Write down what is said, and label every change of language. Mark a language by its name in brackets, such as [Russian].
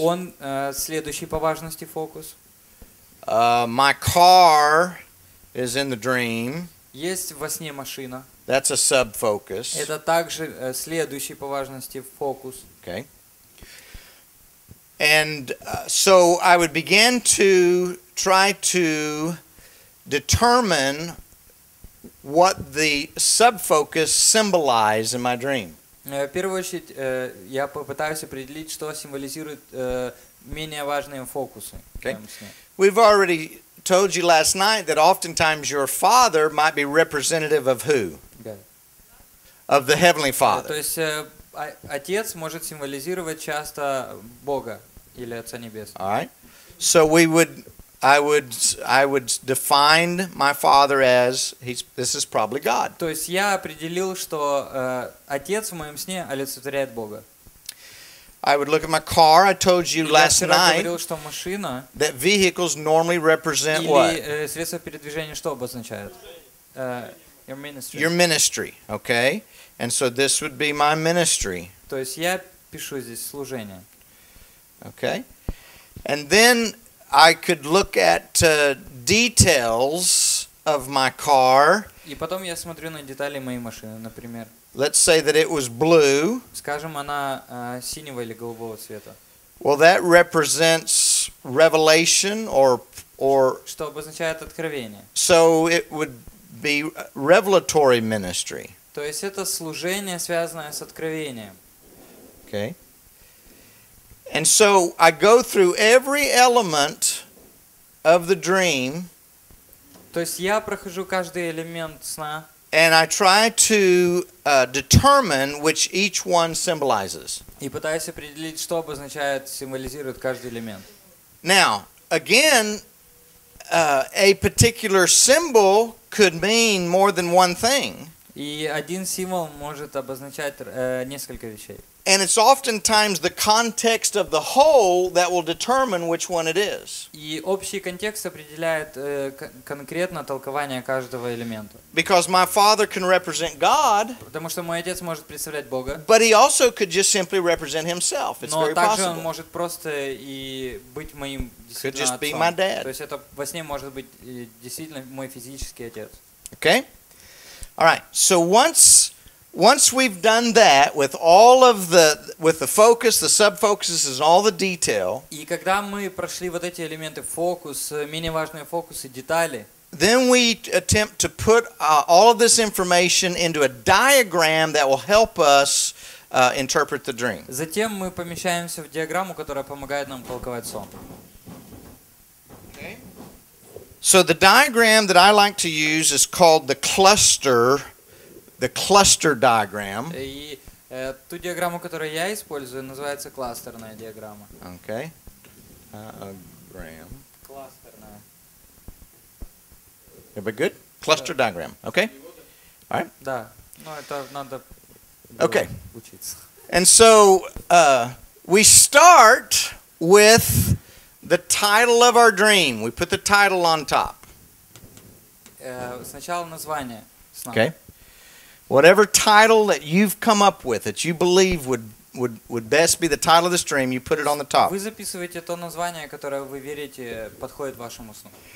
[Russian] Он следующий по важности фокус. [English] My car is in the dream. [Russian] Есть во сне машина. [English] That's a sub-focus. [Russian] Это также следующий по важности фокус. [English] Okay. And so I would begin to try to determine what the sub-focus symbolizes in my dream. [Russian] В первую очередь, я попытаюсь определить, что символизирует менее важные фокусы. [English] Okay. We've already told you last night that oftentimes your father might be representative of who? Of the Heavenly Father. [Russian] То есть отец может символизировать часто Бога или Отца Небесного. [English] All right. So we would, I would define my father as this is probably God. [Russian] То есть я определил, что отец в моем сне олицетворяет Бога. [English] I would look at my car. I told you last night [Russian] говорил, что машина, [English] that vehicles normally represent [Russian] или, [English] what? [Russian] Средства передвижения что обозначают? [English] Your ministry. Your ministry, okay? And so this would be my ministry. [Russian] То есть я пишу здесь служение. [English] Okay? And then I could look at details of my car. [Russian] И потом я смотрю на детали моей машины, например. [English] Let's say that it was blue. [Russian] Скажем, она синего или голубого цвета. [English] Well, that represents revelation or [Russian] что обозначает откровение. [English] So it would be revelatory ministry. [Russian] То есть это служение, связанное с откровением. [English] Okay. And so I go through every element of the dream. [Russian] То есть я прохожу каждый элемент сна. [English] And I try to determine which each one symbolizes. [Russian] И пытаюсь определить, что обозначает, символизирует каждый элемент. [English] Now, again, a particular symbol could mean more than one thing. [Russian] И один символ может обозначать несколько вещей. [English] And it's oftentimes the context of the whole that will determine which one it is. [Russian] И общий контекст определяет конкретно толкование каждого элемента. [English] Because my father can represent God. [Russian] Потому что мой отец может представлять Бога. [English] But he also could just simply represent himself. It's very possible. [Russian] Но также он может просто и быть моим действительно отцом. [English] Just be my dad. [Russian] То есть это во сне может быть действительно мой физический отец. [English] Okay. All right. So once we've done that with all of the focus, the sub-focuses, and all the detail. [Russian] И когда мы прошли вот эти элементы фокус, менее важные фокусы, детали. [English] Then we attempt to put all of this information into a diagram that will help us interpret the dream. [Russian] Затем мы помещаемся в диаграмму, которая помогает нам толковать сон. [English] So the diagram that I like to use is called the cluster diagram. [Russian] И ту диаграмму, которую я использую, называется кластерная диаграмма. [English] Okay. Diagram. [Russian] Кластерная. [English] Everybody good? Cluster diagram. Okay. All right. [Russian] Да. Ну это надо. [English] Okay. [Russian] Учиться. [English] And so we start with the title of our dream. We put the title on top. [Russian] Сначала название сна. [English] Okay. Whatever title that you've come up with that you believe would best be the title of this dream, you put it on the top. [Russian] Вы записываете то название, которое вы верите подходит вашему сну.